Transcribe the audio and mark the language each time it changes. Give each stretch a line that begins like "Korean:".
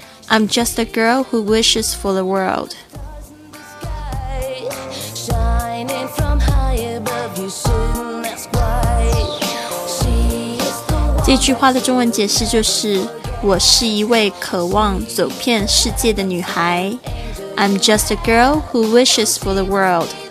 English: I'm just a girl who wishes for the world.
Chinese: Above, 这句话的中文解释就是我是一位渴望走遍世界的女孩。
English: I'm just a girl who wishes for the world.